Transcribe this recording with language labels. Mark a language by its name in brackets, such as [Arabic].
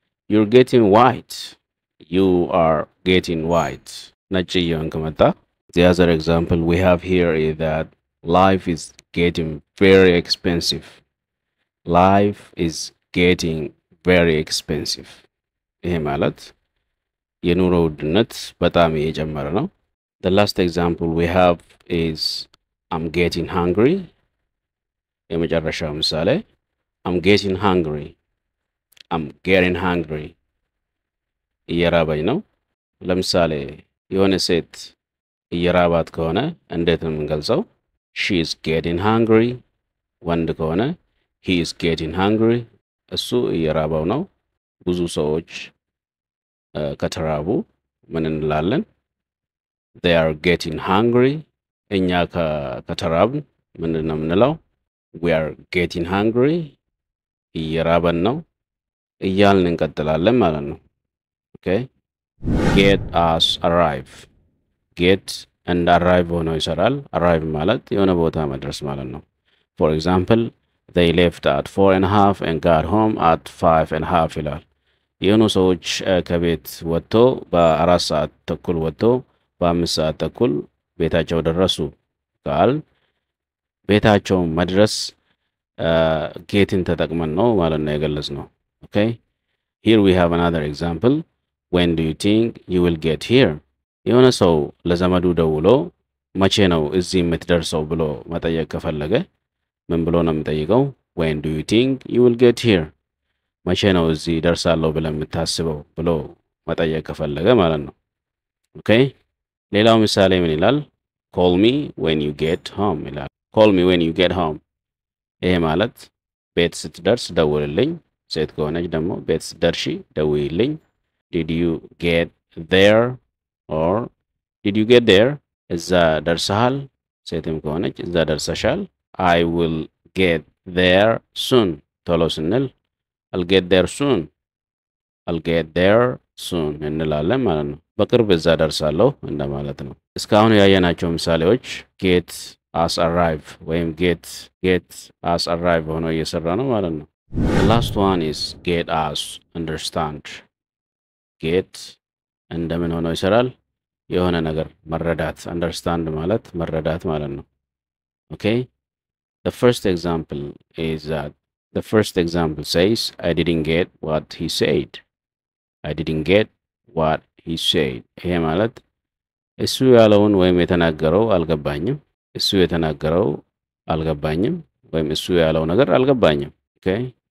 [English] you're getting white. you are getting white. [Amharic] ነጭ እየሆነ ከመጣ [English] The other example we have here is that life is getting very expensive. life is getting very expensive. [Amharic] ይሄ ማለት የኑሮ ውድነት በጣም እየጨመረ ነው። [English] the last example we have is I'm getting hungry. [Amharic] የመጨረሻው ምሳሌ [English] I'm getting hungry. I'm getting hungry. [Amharic] እየራበኝ ነው። ለምሳሌ የሆነ ሴት እየራባት ከሆነ እንዴት ነው የምንገልጸው? [English] she is getting hungry. [Amharic] ወንድ ከሆነ [English] he is getting hungry. [Amharic] እሱ እየራባው ነው። ብዙ ሰዎች ከተራቡ ምን እንላለን? [English] they are getting hungry. [Amharic] እኛ ከተራብ ምን ነው የምንለው? [English] we are getting hungry. [Amharic] እየራበን ነው እያልን እንቀጥላለን ማለት ነው። [English] okay get us arrive. [Amharic] get and arrive ሆኖ ይሰራል። arrive ማለት የሆነ ቦታ መድረስ ማለት ነው። [English] for example they left at 4:30 and got home at 5:30 [Amharic] ይላል። የሆኑ ሰዎች ከቤት ወጥቶ በአራት ሰዓት ተኩል ወጥቶ በአምስት ሰዓት ተኩል ቤታቸው ደረሱ ካል ቤታቸው መድረስ ጌትን ተጠቅመን ነው ማለት ነው የገለጽነው። [English] okay here we have another example. when do you think you will get here? [Amharic] የሆነ ሰው ለዘመዱ ደውሎ መቼ ነው እዚህ የምትደርሰው ብሎ መጠየቅ ከፈለገ ምን ብሎ ነው የሚጠይቀው? [English] when do you think you will get here? [Amharic] መቼ ነው እዚህ ደርሳለሁ ብለህ የምታስበው ብሎ መጠየቅ ከፈለገ ማለት ነው። okay ሌላው ምሳሌ ምን ይላል? [English] call me when you get home ይላል። call me when you get home [Amharic] ይሄ ማለት ቤት ስትደርስ ደውልልኝ። ሴት ከሆነች ደግሞ ቤት ስትደርሺ ደውይልኝ። [English] did you get there? or did you get there? [Amharic] እዛ ደርሰሃል ሴትም ከሆነች እዛ ደርሰሻል [English] አይ ዊል ጌት ዴር ሱን [Amharic] ቶሎ ስንል [English] አል ጌት ዴር ሱን [Amharic] አል ጌት ዴር ሱን እንላለን ማለት ነው በቅርብ እዛ ደርሳለሁ እንደማለት ነው እስካሁን ያየናቸው ምሳሌዎች ጌት አስ አራይቭ ወይም ጌት አስ አራይቭ ሆኖ እየሰራ ነው ማለት ነው [English] The last one is get us understand. [Amharic] Get እንደምን ሆኖ ይሰራል? የሆነ ነገር መረዳት understand ማለት መረዳት ማለት ነው. [English] Okay? The first example is that the first example says I didn't get what he said. I didn't get what he said. [Amharic] ይሄ ማለት እሱ ያለውን ወይም የተናገረው አልገባኝም. እሱ የተናገረው አልገባኝም ወይም እሱ ያለው ነገር አልገባኝም. Okay?